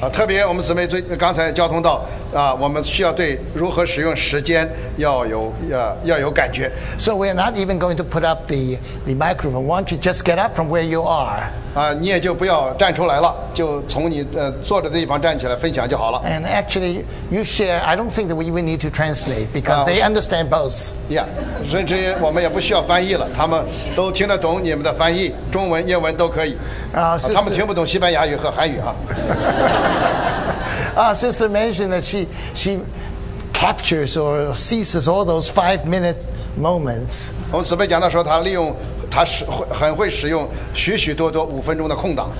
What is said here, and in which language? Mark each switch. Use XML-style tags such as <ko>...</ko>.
<zh>啊，特别我们姊妹最刚才交通到啊，我们需要对如何使用时间要有感觉。</zh> <en>So we're not even going to put up the microphone. Why don't you just get up from where you are?</en> <zh>啊，你也就不要站出来了，就从你坐着的地方站起来分享就好了。</zh> <en>And actually, you share. I don't think that we even need to translate because they understand both.</en> <zh>Yeah, 甚至我们也不需要翻译了，他们都听得懂你们的翻译，中文、英文都可以。</zh> <en>Sister,</en> <zh>他们听不懂西班牙语和韩语啊。</zh> <en>Sister mentioned that she captures or seizes all those 5 minute moments.</en> <zh>我们姊妹讲到说，她利用。他很会使用许许多多五分钟的空档。</zh>